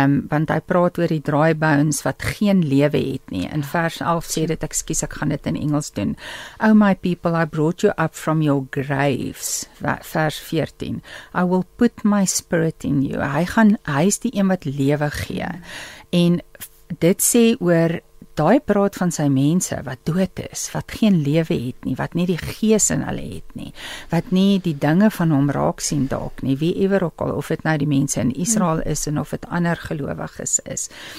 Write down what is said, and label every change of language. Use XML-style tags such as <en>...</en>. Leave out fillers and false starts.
<af>Want hy praat oor die dry bones wat geen lewe het nie. In vers 11 sê dit, excuse, ek gaan dit in Engels doen.</af> <en>Oh my people, I brought you up from your graves. Vers 14. I will put my spirit in you.</en> <af>Hy is die een wat lewe gee. En dit sê oor daai praat van sy mense wat dood is, wat geen lewe het nie, wat nie die gees in hulle het nie, wat nie die dinge van hom raak sien dalk nie, wie ewer ook al, of het nou die mense in Israel is en of het ander gelowiges is.</af>